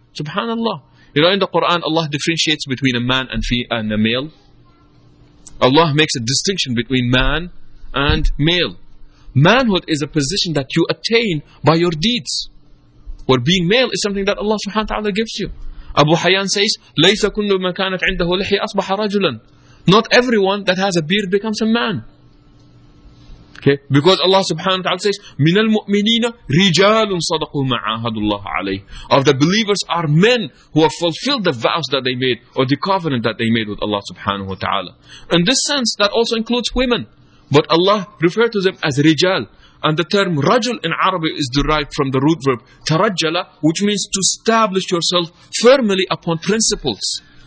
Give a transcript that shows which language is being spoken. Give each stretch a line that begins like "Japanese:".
English: SubhanAllah. You know, in the Quran, Allah differentiates between a man and a male. Allah makes a distinction between man and male. Manhood is a position that you attain by your deeds. Where being male is something that Allah subhanahu wa ta'ala gives you.
Arabic: Abu Hayyan says, لَيْسَ كُلُّ مَا كَانَتْ عِنْدَهُ لِحِيَ أَصْبَحَ رَجُلًا.
English: Not everyone that has a beard becomes a man. Okay?
Arabic: Because Allah subhanahu wa ta'ala says, مِنَ الْمُؤْمِنِينَ رِجَالٌ صَدَقُوا مَا عَاهَدُ اللَّهُ عَلَيْهِ.
English: Of the believers are men who have fulfilled the vows that they made or the covenant that they made with Allah subhanahu wa ta'ala. In this sense, that also includes women. But Allah referred to them as رِجَال. And the term رَجُل in Arabic is derived from the root verb تَرَجَّلَ, which means to establish yourself firmly upon principles.